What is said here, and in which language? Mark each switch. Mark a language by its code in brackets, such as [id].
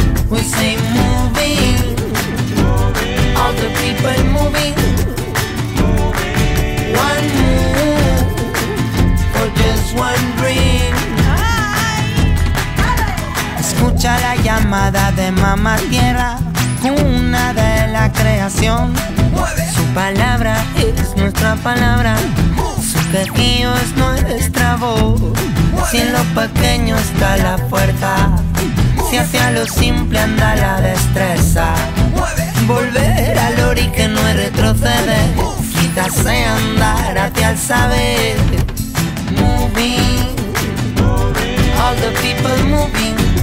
[en] We say moving, all the people moving. One move for just one dream. [es] Escucha la llamada de mamá tierra, cuna de la creación. Su palabra es nuestra palabra, su quejío es nuestra voz. Si en lo pequeño está la fuerza, si hacia lo simple anda la destreza. Volver al origen no es retroceder, quizás sea andar hacia el saber. [en] Moving, all the people moving.